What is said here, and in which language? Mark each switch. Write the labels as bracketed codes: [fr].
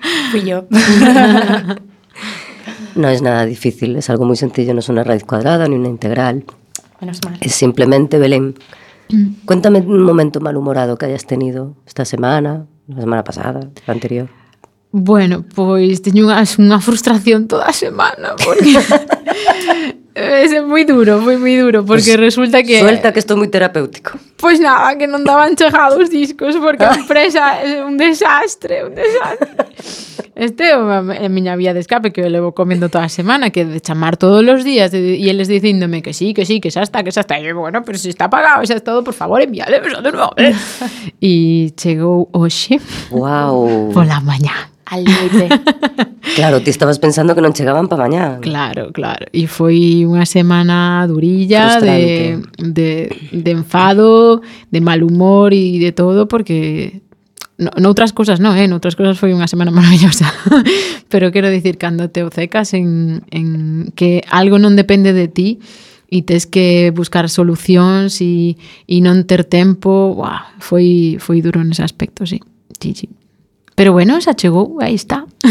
[es] Fui yo. No es nada difícil, es algo muy sencillo, no es una raíz cuadrada ni una integral. Menos mal. Es simplemente Belén. Cuéntame un momento malhumorado que hayas tenido esta semana, la semana pasada, la anterior. [gl] Bueno, pues teño unha frustración toda a semana, porque es moi duro, moi, moi duro, porque pues resulta que... Suelta, que estou moi terapéutico. Pues nada, que non daban chegado os discos, porque a empresa é un desastre, un desastre. Este é a miña vía de escape que eu levo comendo toda a semana, que de chamar todos os días e eles dicíndome que sí, que sí, que xa está, que xa está. E bueno, pero se está pagado, xa está, por favor, envíale, pero xa de novo. E chegou hoxe. Wow. Pola mañá. [es] Al límite. [gl] Claro, ti estabas pensando que non chegaban pa mañá. Claro, claro. E foi unha semana durilla de enfado, de mal humor e de todo, porque... Noutras cosas no, en outras cosas foi unha semana maravillosa. Pero quero dicir, cando te obcecas en que algo non depende de ti e tes que buscar solucións e non ter tempo, buah, foi duro nese aspecto, sí. Sí, sí. Pero bueno, se achegó, ahí está.